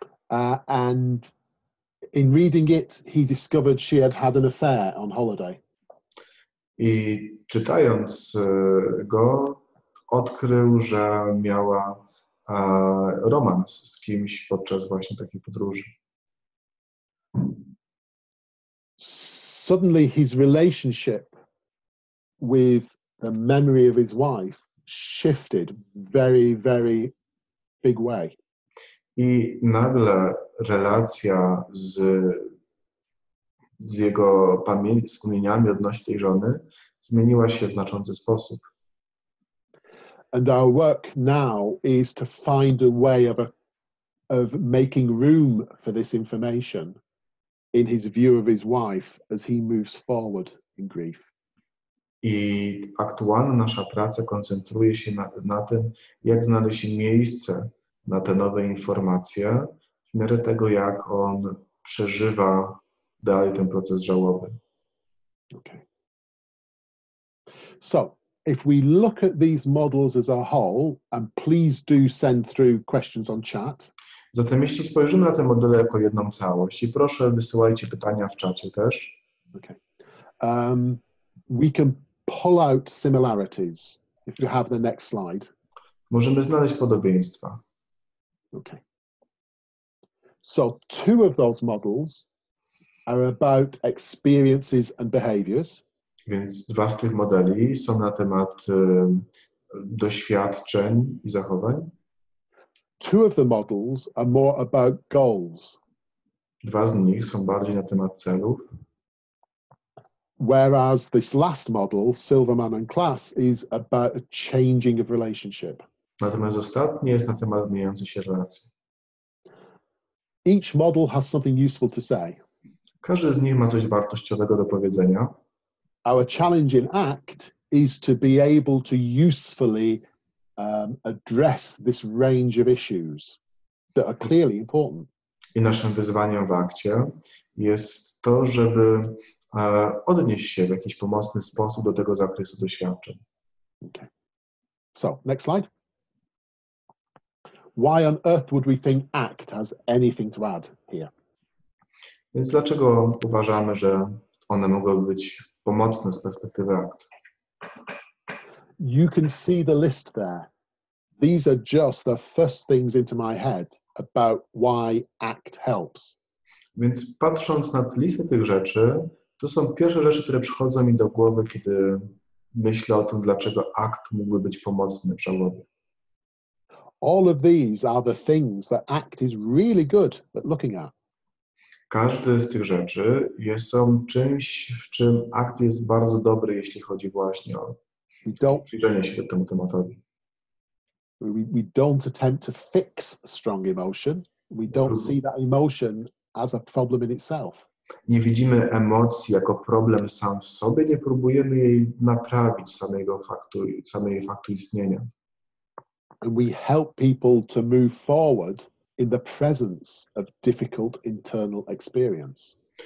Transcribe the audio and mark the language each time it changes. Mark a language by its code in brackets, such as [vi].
[en] And in reading it, he discovered she had had an affair on holiday. [pl] I czytając go, odkrył, że miała romans z kimś podczas właśnie takiej podróży. [en] Suddenly his relationship with the memory of his wife shifted very, very big way. [pl] I nagle relacja z jego wspomnieniami odnośnie tej żony zmieniła się w znaczący sposób. [en] And our work now is to find a way of making room for this information in his view of his wife as he moves forward in grief. [pl] I aktualna nasza praca koncentruje się na tym, jak znaleźć miejsce na te nowe informacje w miarę tego, jak on przeżywa dalej ten proces żałoby. [en] Okay. So, if we look at these models as a whole, and please do send through questions on chat. [pl] Zatem jeśli spojrzymy na te modele jako jedną całość, i proszę wysyłajcie pytania w czacie też. [en] Okay. We can pull out similarities, if you have the next slide. [pl] Możemy znaleźć podobieństwa. [en] Okay. So two of those models are about experiences and behaviors. [pl] Więc dwa z tych modeli są na temat doświadczeń i zachowań. [en] Two of the models are more about goals. [pl] Dwa z nich są bardziej na temat celów. [en] Whereas this last model, Silverman and Class, is about a changing of relationship. [pl] Natomiast ostatni jest na temat zmieniającej się relacji. [en] Each model has something useful to say. [pl] Każdy z nich ma coś wartościowego do powiedzenia. [en] Our challenge in ACT is to be able to usefully address this range of issues that are clearly important. [pl] I naszym wyzwaniem w akcie jest to, żeby odnieść się w jakiś pomocny sposób do tego zakresu doświadczeń. [en] Okay. So, next slide. Why on earth would we think ACT has anything to add here? [pl] Więc dlaczego uważamy, że one mogłyby być pomocne z perspektywy ACT? [en] You can see the list there. These are just the first things into my head about why ACT helps. [pl] Więc patrząc na listę tych rzeczy, to są pierwsze rzeczy, które przychodzą mi do głowy, kiedy myślę o tym, dlaczego ACT mógłby być pomocny w żałobie. [en] All of these are the things that ACT is really good at looking at. [pl] Każdy z tych rzeczy jest czymś, w czym ACT jest bardzo dobry, jeśli chodzi właśnie o przyjrzenie się temu tematowi. [en] We don't attempt to fix strong emotion. We don't see that emotion as a problem in itself. [pl] Nie widzimy emocji jako problem sam w sobie, nie próbujemy jej naprawić samej faktu istnienia. [en] And we help people to move forward in the presence of difficult internal experience.